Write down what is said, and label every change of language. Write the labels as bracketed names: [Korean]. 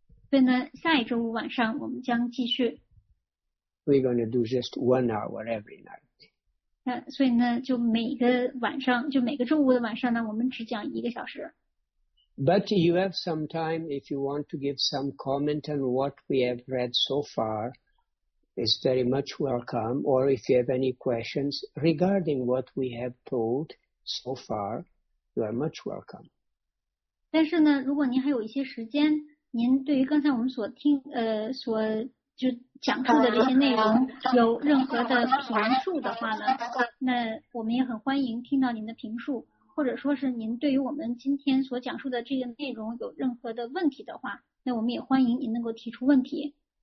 [Chinese] 所以呢，下一周五晚上我们将继续。 [English] We're going to do just 1 hour every night. [Chinese] 所以呢，就每个晚上，就每个周五的晚上呢，我们只讲一个小时。 [English] But you have some time if you want to give some comment on what we have read so far. It's very much welcome. Or if you have any questions regarding what we have told so far, you are much welcome. [Chinese] 但是呢，如果您还有一些时间，您对于刚才我们所听所就讲述的这些内容有任何的评述的话呢，那我们也很欢迎听到您的评述。或者说是您对于我们今天所讲述的这个内容有任何的问题的话，那我们也欢迎您能够提出问题。